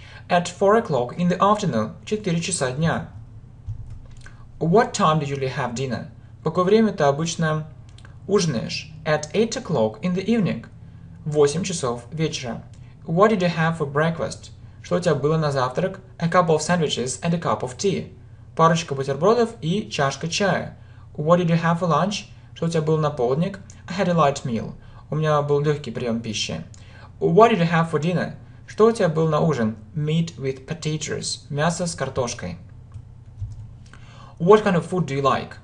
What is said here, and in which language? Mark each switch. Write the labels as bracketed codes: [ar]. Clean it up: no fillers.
[en] At 4 o'clock in the afternoon. [ru] 4 часа дня. [en] What time do you usually have dinner? [ru] Какое время ты обычно ужинаешь? [en] At 8 o'clock in the evening. [ru] 8 часов вечера. [en] What did you have for breakfast? [ru] Что у тебя было на завтрак? [en] A couple of sandwiches and a cup of tea. [ru] Парочка бутербродов и чашка чая. [en] What did you have for lunch? [ru] Что у тебя было на полдник? [en] I had a light meal. [ru] У меня был легкий прием пищи. [en] What did you have for dinner? [ru] Что у тебя было на ужин? [en] Meat with potatoes. [ru] Мясо с картошкой. [en] What kind of food do you like?